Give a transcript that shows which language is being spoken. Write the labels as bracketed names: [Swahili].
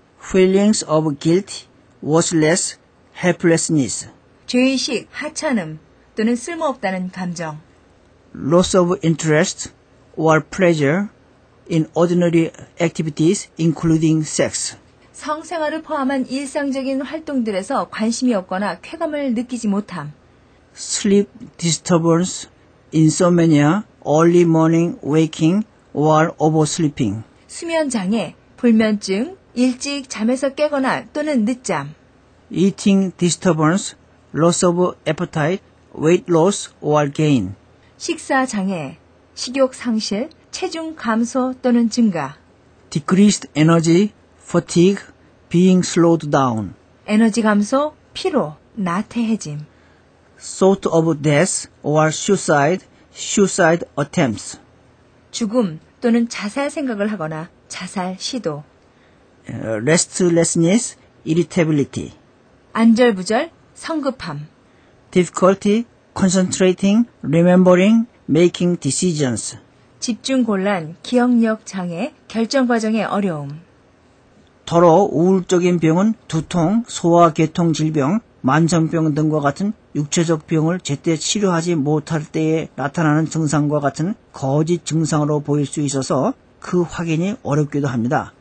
[English] Feelings of guilt, worthless, helplessness. [Korean] 죄의식, 하찮음 또는 쓸모없다는 감정. [English] Loss of interest or pleasure in ordinary activities including sex. [Korean] 성생활을 포함한 일상적인 활동들에서 관심이 없거나 쾌감을 느끼지 못함. [English] Sleep disturbance, insomnia, early morning waking or oversleeping. [Korean] 수면장애, 불면증, 일찍 잠에서 깨거나 또는 늦잠. [English] Eating disturbance, loss of appetite, weight loss or gain. [Korean] 식사장애, 식욕 상실, 체중 감소 또는 증가. [English] Decreased energy, fatigue, being slowed down. [Korean] 에너지 감소, 피로, 나태해짐. [English] Thought of death or suicide, suicide attempts. [Korean] 죽음 또는 자살 생각을 하거나 자살 시도. [English] Restlessness, irritability. [Korean] 안절부절, 성급함. [English] Difficulty, concentrating, remembering, making decisions. [Korean] 집중 곤란, 기억력 장애, 결정 과정의 어려움. 더러 우울적인 병은 두통, 소화계통 질병, 만성병 등과 같은 육체적 병을 제때 치료하지 못할 때에 나타나는 증상과 같은 거짓 증상으로 보일 수 있어서 그 확인이 어렵기도 합니다.